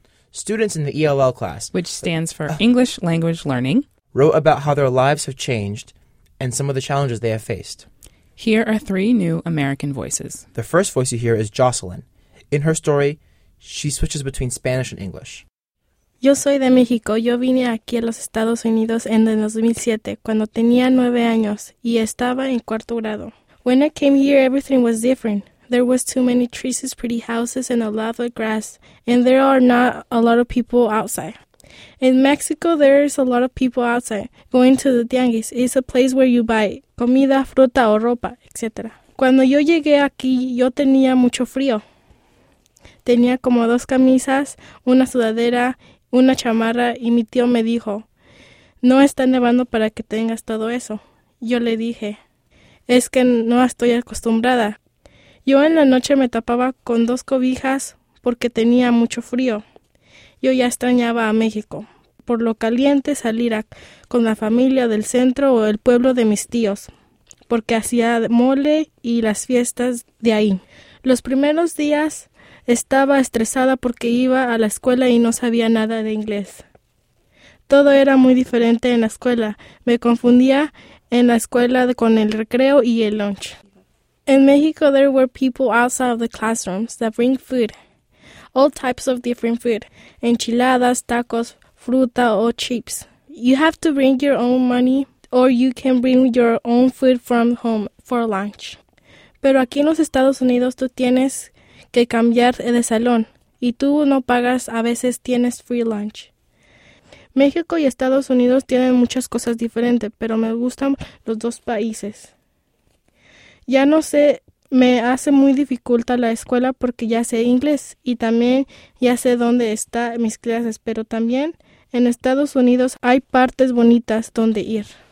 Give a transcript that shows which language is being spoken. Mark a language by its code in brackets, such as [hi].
[en] Students in the ELL class, which stands for English Language Learning, wrote about how their lives have changed and some of the challenges they have faced. Here are three new American voices. The first voice you hear is Jocelyn. In her story, she switches between Spanish and English. [es] Yo soy de México. Yo vine aquí a los Estados Unidos en 2007, cuando tenía 9 años, y estaba en cuarto grado. [en] When I came here, everything was different. There was too many trees, pretty houses, and a lot of grass, and there are not a lot of people outside. In Mexico, there is a lot of people outside, going to the tianguis. It's a place where you buy [es] comida, fruta, o ropa, [en] etc. [es] Cuando yo llegué aquí, yo tenía mucho frío. Tenía como 2 camisas, una sudadera, una chamarra, y mi tío me dijo, no está nevando para que tengas todo eso. Yo le dije, es que no estoy acostumbrada. Yo en la noche me tapaba con 2 cobijas porque tenía mucho frío. Yo ya extrañaba a México, por lo caliente salir con la familia del centro o el pueblo de mis tíos, porque hacía mole y las fiestas de ahí. Los primeros días estaba estresada porque iba a la escuela y no sabía nada de inglés. Todo era muy diferente en la escuela. Me confundía en la escuela con el recreo y el lunch. [en] In Mexico, there were people outside of the classrooms that bring food, all types of different food, enchiladas, tacos, fruta, or chips. You have to bring your own money, or you can bring your own food from home for lunch. [es] Pero aquí en los Estados Unidos, tú tienes que cambiar de salón, y tú no pagas, a veces tienes [en] free lunch. [es] México y Estados Unidos tienen muchas cosas diferentes, pero me gustan los dos países. Ya no sé, me hace muy dificulta la escuela porque ya sé inglés y también ya sé dónde están mis clases, pero también en Estados Unidos hay partes bonitas donde ir.